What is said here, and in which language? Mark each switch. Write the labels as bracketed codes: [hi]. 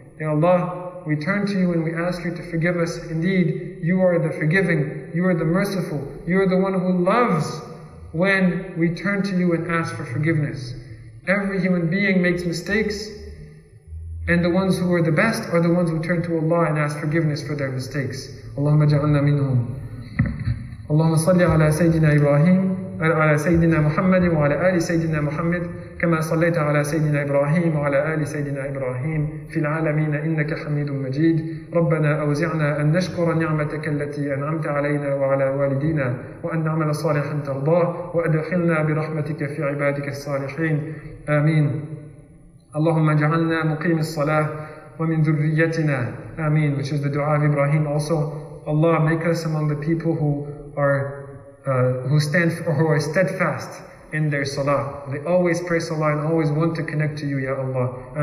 [en] Ya Allah, we turn to You and we ask You to forgive us. Indeed, You are the forgiving, You are the merciful, You are the one who loves when we turn to You and ask for forgiveness. Every human being makes mistakes, and the ones who are the best are the ones who turn to Allah and ask forgiveness for their mistakes. [ar] اللهم اجعلنا منهم. اللهم صل على سيدنا إبراهيم على سيدنا محمد وعلى آل سيدنا محمد كما صليت على سيدنا إبراهيم وعلى آل سيدنا إبراهيم في العالمين إنك حميد مجيد. ربنا أوزعنا أن نشكر نعمتك التي أنعمت علينا وعلى والدينا وأن نعمل صالحا ترضاه وأدخلنا برحمتك في عبادك الصالحين. آمين. اللهم اجعلنا مقيم الصلاة ومن ذريتنا. آمين. [en] Which is the dua of Ibrahim also. Allah, make us among the people who are steadfast in their salah. They always pray salah and always want to connect to You, Ya Allah.